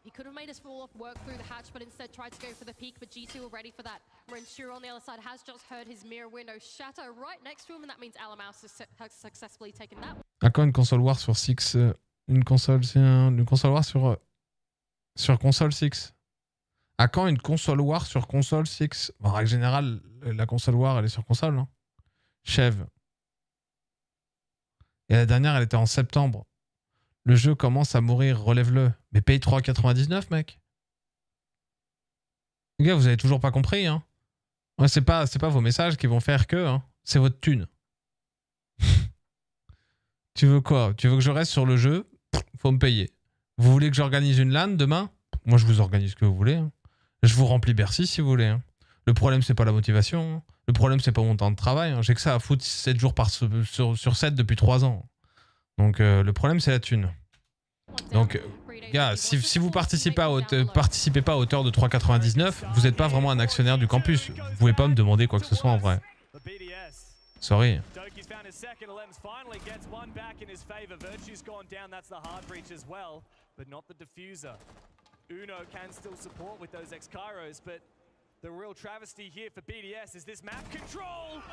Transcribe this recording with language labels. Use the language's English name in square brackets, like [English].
[English] He could have made us fall off work through the hatch, but instead tried to go for the peak. But G2 were ready for that. Renshiro on the other side has just heard his mirror window shatter right next to him, and that means Alamaus has successfully taken that one. [French] À quoi une console war sur Six? Une console, c'est une console war sur console Six. À quand une console war sur console Six? En règle générale, la console war elle est sur console. Hein. Chev. Et la dernière, elle était en septembre. Le jeu commence à mourir, relève-le. Mais paye 3,99€, mec. Les gars, vous avez toujours pas compris, hein. Ouais, c'est pas vos messages qui vont faire que, hein. C'est votre thune. Tu veux quoi? Tu veux que je reste sur le jeu? Faut me payer. Vous voulez que j'organise une LAN demain? Moi, je vous organise ce que vous voulez. Hein. Je vous remplis Bercy, si vous voulez. Hein. Le problème, c'est pas la motivation. Hein. Le problème, c'est pas mon temps de travail. Hein. J'ai que ça à foutre 7 jours sur 7 depuis 3 ans. Donc le problème c'est la thune. Donc gars, si vous participez pas à hauteur de 3,99€, vous êtes pas vraiment un actionnaire du campus. Vous pouvez pas me demander quoi que ce soit en vrai. [English] Sorry. Doki's found his second. Lems finally gets one back in his favor. Virtue's gone down, that's the hard breach as well, but not the diffuser. Uno can still support with those ex-Kairos, but the real travesty here for BDS is this map control.